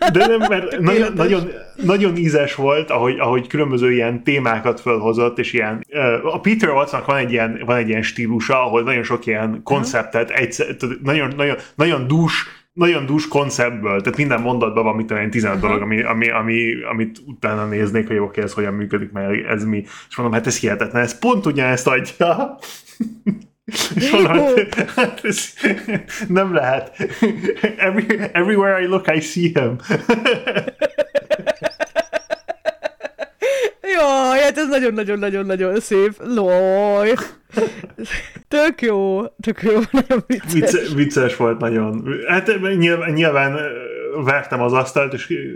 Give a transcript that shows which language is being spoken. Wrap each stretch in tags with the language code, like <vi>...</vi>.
<hu>De nem, mert nagyon ízes volt, ahogy különböző ilyen témákat fölhozott, és ilyen, a Peter Wattsnak van egy ilyen stílusa, ahol nagyon sok ilyen konceptet, nagyon dús konceptből, tehát minden mondatban van, mit tudom én, 15 dolog, amit utána néznék, hogy oké, ez hogyan működik, mert ez mi, és mondom, hát ez hihetetlen, ez pont ugyanezt adja. És mondom, hát ez nem lehet.</hu> <en>Everywhere I look, I see him.</en> <hu>Jaj, hát ez nagyon-nagyon-nagyon-nagyon szép. Loj. Tök jó, nagyon vicces. Vicces volt nagyon. Hát nyilván vertem az asztalt, és</hu>